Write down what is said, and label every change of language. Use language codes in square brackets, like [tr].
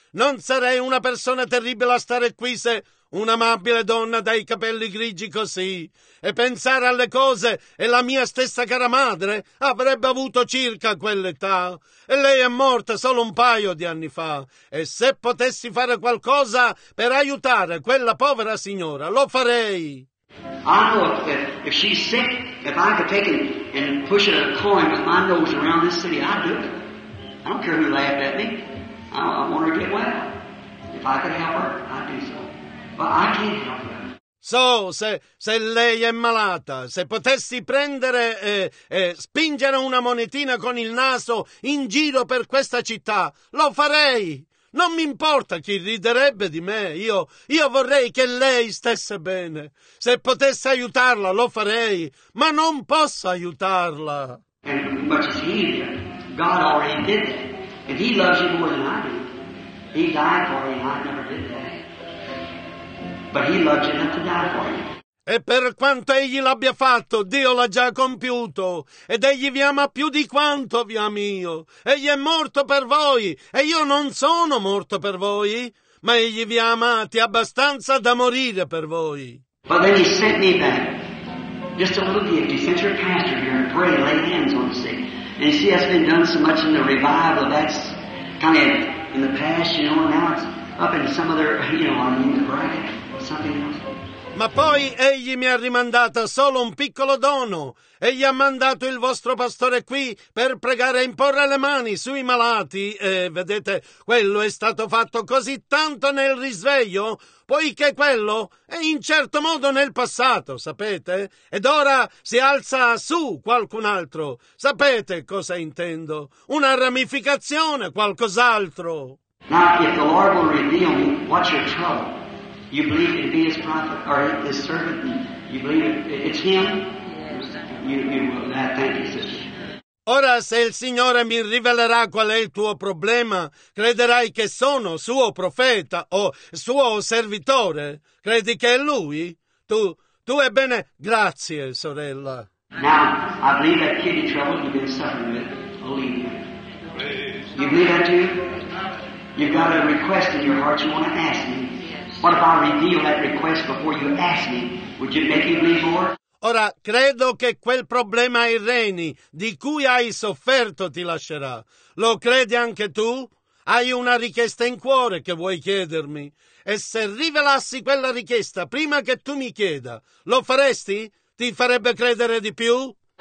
[it] Non sarei una persona terribile a stare qui se un'amabile donna dai capelli grigi così e pensare alle cose e la mia stessa cara madre avrebbe avuto circa quell'età e lei è morta solo un paio di anni fa e se potessi fare qualcosa per aiutare quella povera signora lo farei. [en] I know if she's sick, if I could take and push a coin with my nose around this city, I'd do it. I don't care who laughed at me. I want her to get well. If I could help her, I'd do so. But I can't help her. [it] So, se lei è malata, se potessi prendere e spingere una monetina con il naso in giro per questa città, lo farei. Non mi importa chi riderebbe di me, io vorrei che lei stesse bene. Se potesse aiutarla, lo farei, ma non posso aiutarla. [en] And much as he did, God already did that. And he loves you more than I do. He died for you, and I never did that. But he loved you enough to die for you. [it] E per quanto egli l'abbia fatto, Dio l'ha già compiuto. Ed egli vi ama più di quanto vi ami io. Egli è morto per voi, e io non sono morto per voi. Ma egli vi ha amati abbastanza da morire per voi. Ma poi mi ha sentito [en] me back. Just a little gift. He sent your pastor here and pray, lay hands on the sick. And you see, that's been done so much in the revival. That's kind of in the past, you know, and now it's up in some other, you know, in the bracket, something else. [it] Ma poi egli mi ha rimandato solo un piccolo dono. Egli ha mandato il vostro pastore qui per pregare e imporre le mani sui malati. E vedete, quello è stato fatto così tanto nel risveglio, poiché quello è in certo modo nel passato, sapete? Ed ora si alza su qualcun altro. Sapete cosa intendo? Una ramificazione, qualcos'altro. [en] Now, if the Lord will reveal me, what's your trouble? You believe it to be his prophet or his servant? You believe it's him? You will. Thank you, sister. [it] Ora, se il Signore mi rivelerà qual è il tuo problema, crederai che sono suo profeta o suo servitore? Credi che è lui? Tu ebbene, grazie, sorella. [en] Now, I believe that kidney trouble you've been suffering with. Believe you. You believe that too? You've got a request in your heart you want to ask me. What if I reveal that request before you ask me? Would you make me believe more? [it] Ora, credo che quel problema ai reni di cui hai sofferto ti lascerà. Lo credi anche tu? Hai una richiesta in cuore che vuoi chiedermi. E se rivelassi quella richiesta prima che tu mi chieda, lo faresti? Ti farebbe credere di più?